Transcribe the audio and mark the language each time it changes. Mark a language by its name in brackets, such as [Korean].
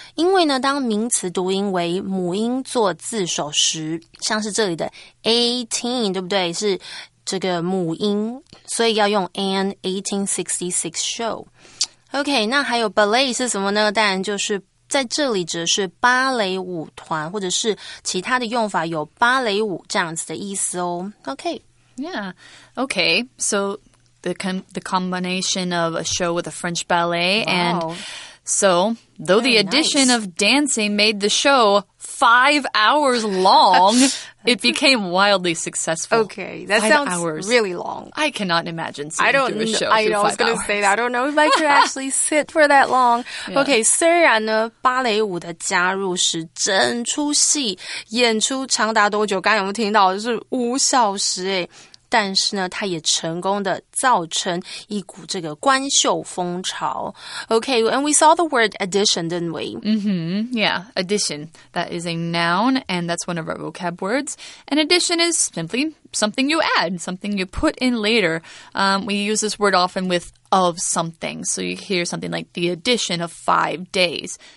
[Chinese] 因为呢，当名词读音为母音做字首时，像是这里的 18， 对不对？是这个母音，所以要用 an 1866 show。 OK， 那还有 ballet 是什么呢？当然就是在这里指的是芭蕾舞团，或者是其他的用法有芭蕾舞这样子的意思哦。 [English] OK， yeah， OK， so the combination of a show with a French ballet and so though Very the addition nice. of dancing made the show 5 hours long. It became wildly successful. Okay, that sounds really long. I cannot imagine sitting through a show for 5 hours. I was going to say that. I don't know if I could actually sit for that long. Yeah. [Chinese] Okay, 虽然呢，芭蕾舞的加入使整出戏演出长达多久？刚才有没有听到？是5小时诶。但是呢，它也成功的造成一股这个观秀风潮。 [English] Okay, and we saw the word addition, didn't we? Mm-hmm. Yeah, addition. That is a noun, and that's one of our vocab words. An addition is simply something you add, something you put in later. We use this word often with of something. So you hear something like the addition of 5 days.